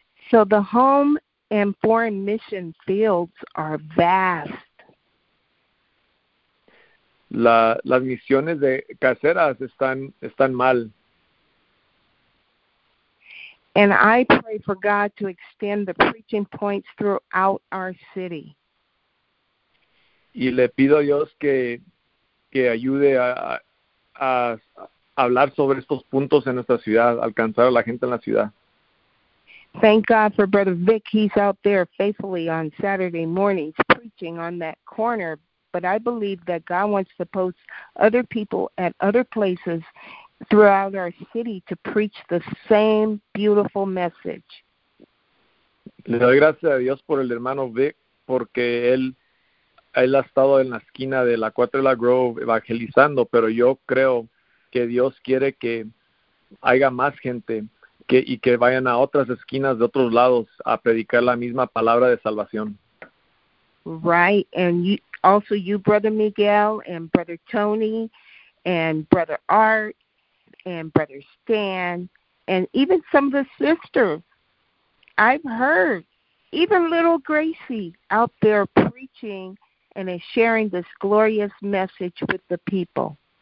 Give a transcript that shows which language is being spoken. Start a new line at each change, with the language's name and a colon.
English: So the home and foreign mission fields are vast.
Spanish: Las misiones de caseras están mal.
English: And I pray for God to extend the preaching points throughout our city.
Spanish: Y le pido a Dios que ayude a hablar sobre estos puntos en nuestra ciudad, alcanzar a la gente en la ciudad.
English: Thank God for Brother Vic. He's out there faithfully on Saturday mornings preaching on that corner. But I believe that God wants to post other people at other places throughout our city to preach the same beautiful message.
Spanish: Le doy gracias a Dios por el hermano Vic, porque él ha estado en la esquina de la 4 de la Grove evangelizando, pero yo creo que Dios quiere que haya más gente y que vayan a otras esquinas de otros lados a predicar la misma palabra de salvación.
English: Right, and you also, you, Brother Miguel, and Brother Tony, and Brother Art, and Brother Stan, and even some of the sisters. I've heard even little Gracie out there preaching and is sharing this glorious message with the people.